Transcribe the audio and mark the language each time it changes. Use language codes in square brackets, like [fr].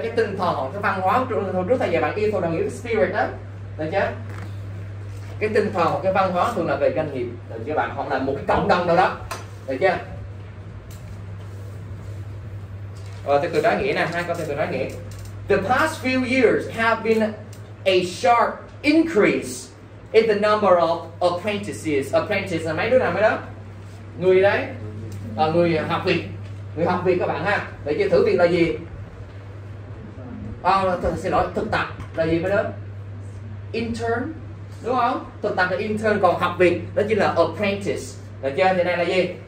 [vi] Cái tinh thần hoặc cái văn hóa. Trước thầy dạy bạn ethos đồng nghĩa với spirit đó. Được chưa? Cái tinh thần hoặc cái văn hóa thường là về doanh nghiệp. Được chưa bạn? Hoặc là một cái cộng đồng nào đó. Được chưa? Từ từ nói nghĩa nè, hai con từ từ nói nghĩa. [en] The past few years have been a sharp increase in the number of apprentices. [vi] Apprentices là mấy đứa nào mấy đó? Người đấy, người học việc. Người học việc các bạn ha. Để chưa thử việc là gì? Xin lỗi, thực tập là gì mấy đó? Intern, đúng không? Thực tập là intern, còn học việc đó chính là apprentice. Được chưa? Thì này là gì?